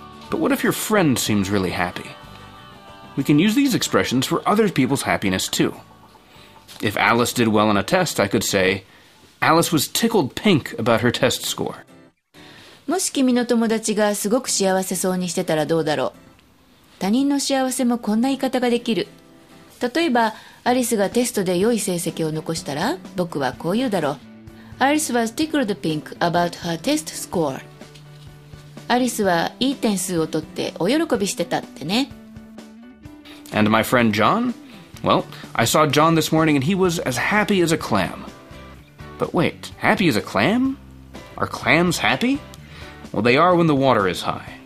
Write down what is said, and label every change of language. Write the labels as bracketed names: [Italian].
[English] But what if your friend seems really happy? We can use these expressions for other people's happiness too. If Alice did well on a test, I could say, Alice was tickled pink about her test score. [Japanese] もし君の友達がすごく幸せそうにしてたらどうだろう。他人の幸せもこんな言い方ができる。例えば、アリスがテストで良い成績を残したら、僕はこう言うだろう。 [English] Alice was tickled pink about her test score. [Japanese] アリスはいい点数を取ってお喜びしてたってね。 [English] And my friend John? Well, I saw John this morning and he was as happy as a clam. But wait, happy as a clam? Are clams happy? Well, they are when the water is high.